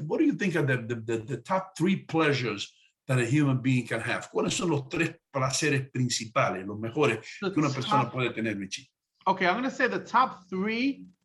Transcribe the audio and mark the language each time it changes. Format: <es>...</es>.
<en>What do you think are the top three pleasures that a human being can have?</en> <es>¿Cuáles son los tres placeres principales, los mejores que una persona puede tener, Richie?</es> <en>Okay, I'm going to say the top three.</en>